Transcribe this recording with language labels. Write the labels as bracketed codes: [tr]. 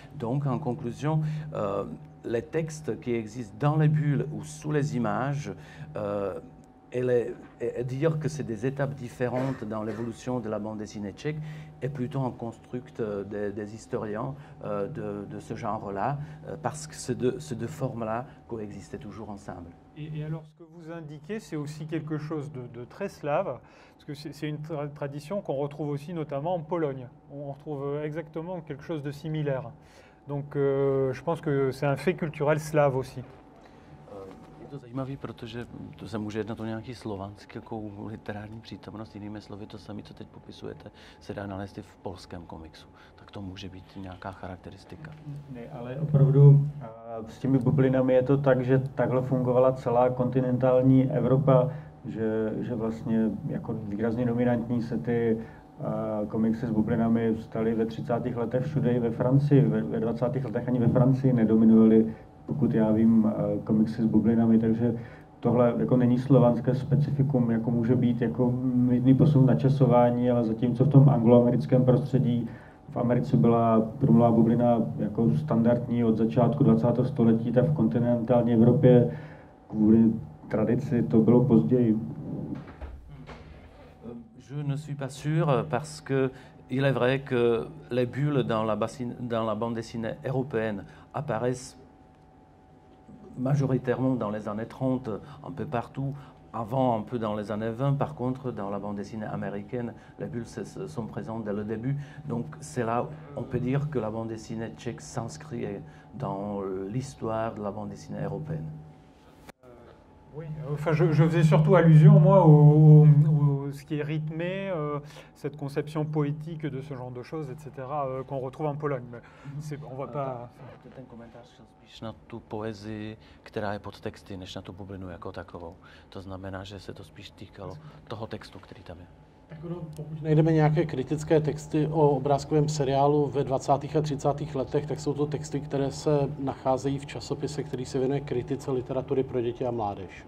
[fr] Donc, en conclusion, les textes qui existent dans les bulles ou sous les images, et dire que c'est des étapes différentes dans l'évolution de la bande dessinée tchèque est plutôt un construct des historiens de ce genre-là, parce que ces deux formes-là coexistaient toujours ensemble. Et alors, ce que vous indiquez, c'est aussi quelque chose de très slave, parce que c'est une tradition qu'on retrouve aussi notamment en Pologne. On retrouve exactement quelque chose de similaire. Donc, je pense que c'est un fait culturel slave aussi. [cs] To zajímavé, protože to se může jednat o nějaký slovanský literární přítomnost, jinými slovy, to samé, co teď popisujete, se dá nalézt i v polském komiksu. Tak to může být nějaká charakteristika. Ne, ale opravdu s těmi bublinami je to tak, že takhle fungovala celá kontinentální Evropa, že vlastně jako výrazně dominantní se ty komiksy s bublinami staly ve 30. letech všude i ve Francii. Ve 20. letech ani ve Francii nedominovaly, pokud já vím, komiksy s bublinami, takže tohle jako není slovanské specifikum, jako může být jako jiný posun načasování, ale zatímco v tom angloamerickém prostředí v Americe byla průmyslová bublina jako standardní od začátku 20. století, tak v kontinentální Evropě kvůli tradici to bylo později. [fr] Je ne suis pas sûr parce que il est vrai que les bulles dans la bande dessinée européenne apparaissent majoritairement dans les années 30, un peu partout, avant un peu dans les années 20. Par contre, dans la bande dessinée américaine, les bulles sont présentes dès le début. Donc c'est là, on peut dire que la bande dessinée tchèque s'inscrit dans l'histoire de la bande dessinée européenne. Oui, enfin, je faisais surtout allusion, moi, au ce qui est rythmé, cette conception poétique de ce genre de choses, etc., qu'on retrouve en Pologne. Mais c'est, on ne voit pas... Peut-être un commentaire [cs] spíš na tu poezii, která je pod texty, než na tu bublinu jako takovou. To znamená, že se to spíš týkalo toho textu, který tam je. Tak ono, pokud najdeme nějaké kritické texty o obrázkovém seriálu ve 20. a 30. letech, tak jsou to texty, které se nacházejí v časopise, který se věnuje kritice literatury pro děti a mládež.